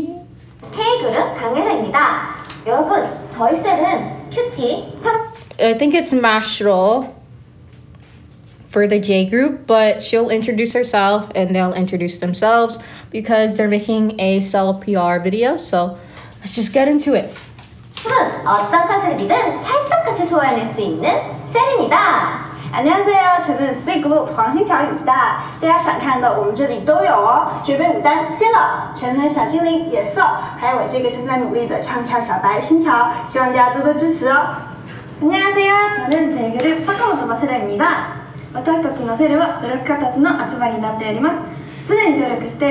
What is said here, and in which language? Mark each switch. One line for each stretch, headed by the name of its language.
Korean: K group, 강혜자입니다. 여러분, 저희 셀은 큐티
English: I think it's Mashiro for the J group, but she'll introduce herself and they'll introduce themselves because they're making a cell PR video. So let's just get into it.
Korean: 어떤 컨셉이든 찰떡같이 소화해낼 수 있는 셀입니다. 안녕하세요. 저는 C Group 黄星乔입니다.
Chinese: 大家想看的我们这里都有哦。绝美舞担，谢了。全能小精灵野兽，还有我这个正在努力的唱跳小白星乔， 希望大家多多支持哦。
Korean: 안녕하세요. 저는 J Group 사카모토 마시라입니다.
Japanese: 私たちのセルは努力家たちの集まりになっております。